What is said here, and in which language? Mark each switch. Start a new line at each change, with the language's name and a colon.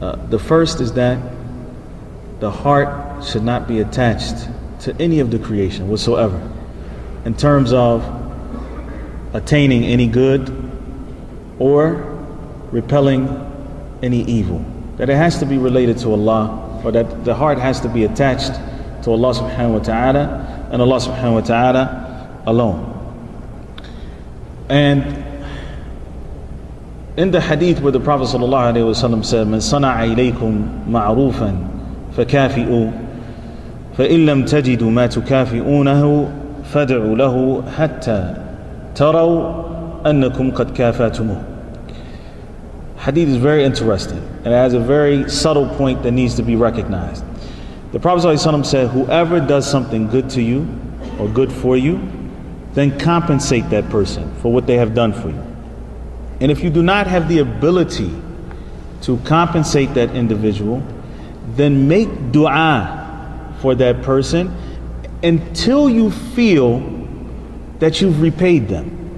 English: The first is that the heart should not be attached to any of the creation whatsoever in terms of attaining any good or repelling any evil. that it has to be related to Allah, or that the heart has to be attached to Allah subhanahu wa ta'ala and Allah subhanahu wa ta'ala alone. And in the hadith where the Prophet sallallahu alayhi wa sallam said,
Arabic: من صنع إليكم معروفا فكافئوا فإن لم تجدوا ما تكافئونه فدعوا له حتى تروا أنكم قد كافأتموه.
English: Hadith is very interesting and it has a very subtle point that needs to be recognized. The Prophet ﷺ said, whoever does something good to you or good for you, then compensate that person for what they have done for you. And if you do not have the ability to compensate that individual, then make dua for that person until you feel that you've repaid them.